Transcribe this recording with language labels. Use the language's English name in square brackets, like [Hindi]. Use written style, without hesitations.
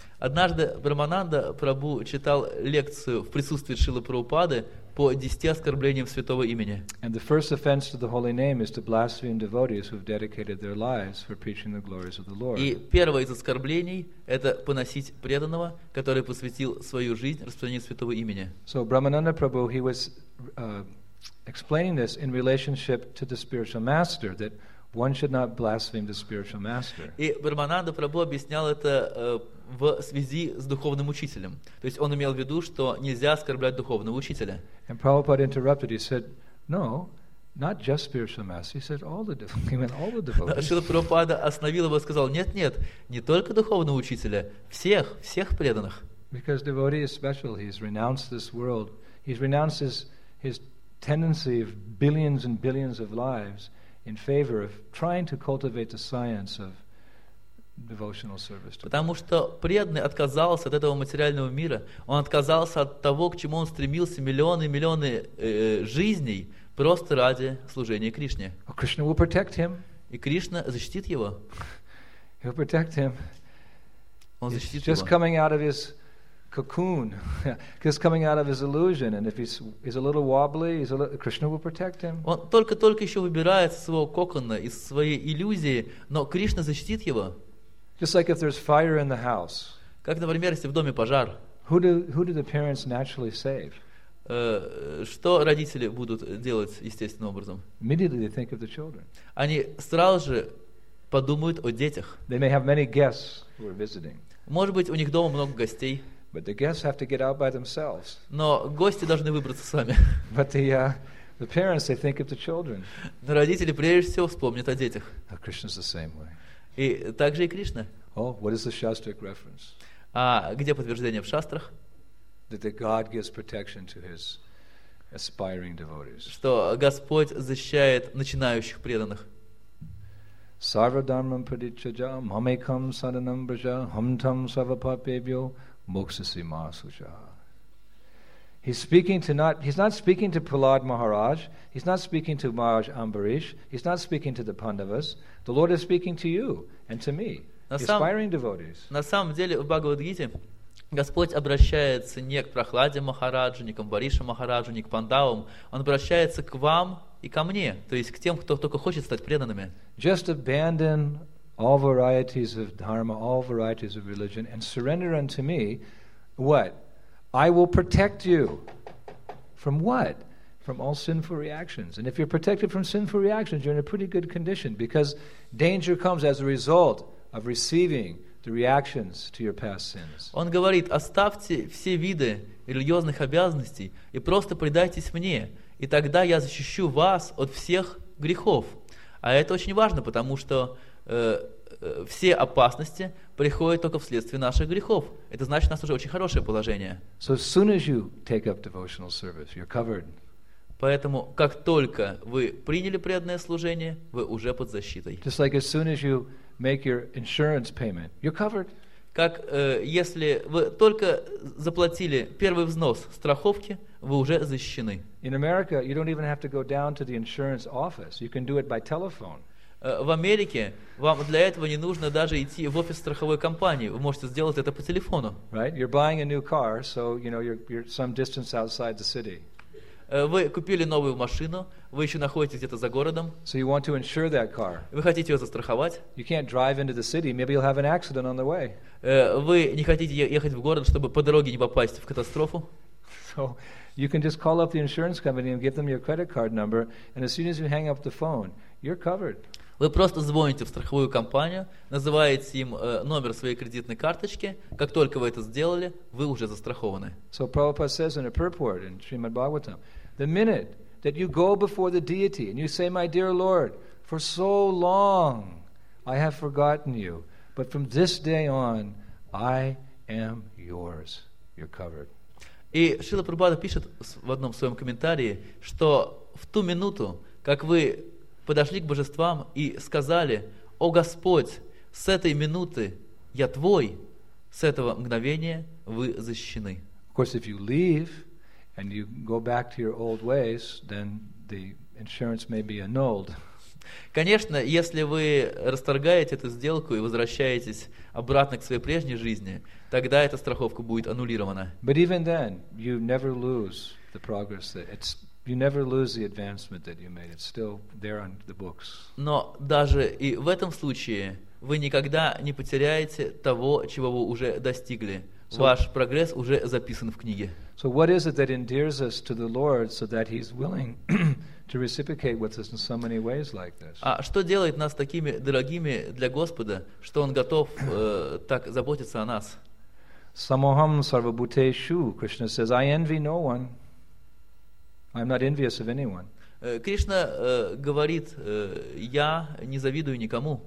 [Russian] Однажды Брамананда Прабху читал лекцию в присутствии Шрилы Прабхупады по 10 оскорблениям святого имени. [English] And the first offense to the holy name is to blaspheme devotees who have dedicated their lives for preaching the glories of the Lord. [Russian] И первое из оскорблений — это поносить преданного, который посвятил свою жизнь распространению святого имени. [English] So Brahmananda Prabhu, he was explaining this in relationship to the spiritual master, that one should not blaspheme the spiritual master. [Russian] И Брамананда Прабху объяснял это в связи с духовным учителем. То есть он имел в виду, что нельзя оскорблять духовного учителя. [English] And Prabhupada interrupted. He said, "No, Not just spiritual master, he said all the devotees, even all the devotees. [Russian] Шрила Прабхупада остановил его и сказал: нет, нет, не только духовного учителя, всех, всех преданных. [English] Because devotee is special, he's renounced this world, he's renounced his tendency of billions and billions of lives in favor of trying to cultivate the science of devotional service. [Russian] Потому что преданный отказался от этого материального мира, он отказался от того, к чему он стремился миллионы и миллионы жизней. Просто ради служения Кришне. [English] Well, Krishna will protect him. [Russian] И Кришна защитит его. [English] He'll protect him. [Russian] Он защитит его. [English] He's just coming out of his cocoon. Just coming out of his illusion. And if he's a little wobbly, Krishna will protect him. [Russian] Он только-только еще выбирается из своего кокона, из своей иллюзии, но Кришна защитит его. [English] Just like if there's fire in the house. [Russian] Как, например, если в доме пожар. [English] Who do the parents naturally save? [Russian] Что родители будут делать естественным образом? [English] Immediately they think of the children. [Russian] Они сразу же подумают о детях. [English] They may have many guests who are visiting. [Russian] Может быть, у них дома много гостей. [English] But the guests have to get out by themselves. [Russian] Но гости должны выбраться сами. [English] But the parents, they think of the children. [Russian] Но родители прежде всего вспомнят о детях. [English] Now, Krishna's the same way. [Russian] И также и Кришна. [English] Oh, what is the shastric reference? [Russian] А где подтверждение в шастрах? [English] That God gives protection to His aspiring devotees. [Russian] Что Господь защищает начинающих преданных. [Sanskrit] Sarva dharmam padichaja, mamekam sadanam braja, hamtam savapapebhyo, moksasima suja. [English] He's not speaking to Prahlad Maharaj. He's not speaking to Maharaj Ambarish. He's not speaking to the Pandavas. The Lord is speaking to you and to me, aspiring devotees. [Russian] На самом деле в Бхагавад-гите Господь обращается не к Прохладе Махараджу, не к Амбаришу Махараджу, не к Пандавам. Он обращается к вам и ко мне, то есть к тем, кто только хочет стать преданными. [English] Just abandon all varieties of dharma, all varieties of religion, and surrender unto me. What? I will protect you. From what? From all sinful reactions. And if you're protected from sinful reactions, you're in a pretty good condition, because danger comes as a result of receiving the reactions to your past sins. [Russian] Он говорит: оставьте все виды религиозных обязанностей и просто предайтесь мне, и тогда я защищу вас от всех грехов. А это очень важно, потому что все опасности приходят только вследствие наших грехов. Это значит, у нас уже очень хорошее положение. [English] So as soon as you take up devotional service, you're covered. [Russian] Поэтому как только вы приняли преданное служение, вы уже под защитой. [English] Just like as soon as you make your insurance payment, you're covered. [Russian] Как если вы только заплатили первый взнос страховки, вы уже защищены. [English] In America, you don't even have to go down to the insurance office. You can do it by telephone. [Russian] В Америке вам для этого не нужно даже идти в офис страховой компании. Вы можете сделать это по телефону. [English] Right? You're buying a new car, so you know you're some distance outside the city. [Russian] Вы купили новую машину, вы еще находитесь где-то за городом. [English] So you want to insure that car. [Russian] Вы хотите ее застраховать. [English] You can't drive into the city, maybe you'll have an accident on the way. [Russian] Вы не хотите ехать в город, чтобы по дороге не попасть в катастрофу. [English] So you can just call up the insurance company and give them your credit card number, and as soon as you hang up the phone, you're covered. [Russian] Вы просто звоните в страховую компанию, называете им номер своей кредитной карточки. Как только вы это сделали, вы уже застрахованы. [English] So Prabhupada says in a purport in Srimad Bhagavatam, the minute that you go before the deity and you say, my dear Lord, for so long I have forgotten you, but from this day on I am yours. You're covered. [Russian] И Шрила Прабхупада пишет в одном своем комментарии, что в ту минуту, как вы подошли к божествам и сказали: «О Господь, с этой минуты я Твой, с этого мгновения вы защищены». [English] Of course, if you leave and you go back to your old ways, then the insurance may be annulled. [Russian] Конечно, если вы расторгаете эту сделку и возвращаетесь обратно к своей прежней жизни, тогда эта страховка будет аннулирована. [English] But even then, you never lose the progress that it's. You never lose the advancement that you made. It's still there on the books. [Russian] Но даже и в этом случае вы никогда не потеряете того, чего вы уже достигли. Ваш прогресс уже записан в книге. [English] So what is it that endears us to the Lord so that He's willing to reciprocate with us in so many ways like this? [Russian] А что делает нас такими дорогими для Господа, что Он готов так заботиться о нас? [Sanskrit] Самохам сарвабутешу. [English] Krishna says, I envy no one. I'm not envious of anyone. [Russian] Кришна говорит, я не завидую никому.